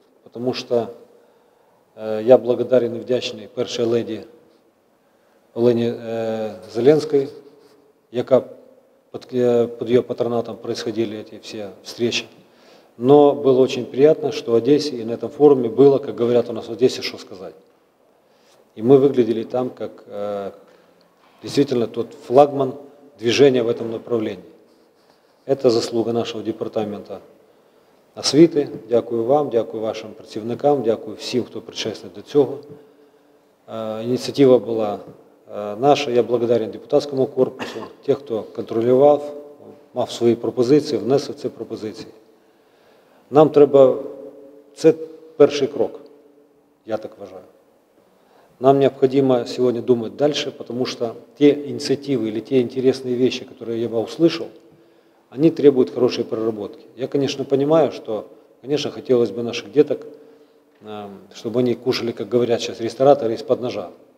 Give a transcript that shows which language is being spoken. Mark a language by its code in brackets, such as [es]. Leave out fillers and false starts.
[uk] Тому що я благодарен і вдячний першій леді Олені Зеленській, яка під її патронатом відбувалися ці всі зустрічі. Але було дуже приємно, що в Одесі і на цьому форумі було, як кажуть у нас в Одесі, що сказати. [ru] І ми виглядали там, як действительно тот флагман движения в этом направлении. Это заслуга нашего департамента освіти. [uk] Дякую вам, дякую вашим працівникам, дякую всім, хто причастен до цього. Ініціатива була наша, я благодарен депутатському корпусу, тих, хто контролював, мав свої пропозиції, внесли ці пропозиції. Нам треба, це перший крок, я так вважаю. [ru] Нам необходимо сегодня думать дальше, потому что те инициативы или те интересные вещи, которые я бы услышал, они требуют хорошей проработки. Я, конечно, понимаю, что, конечно, хотелось бы наших деток, чтобы они кушали, как говорят сейчас, рестораторы из-под ножа.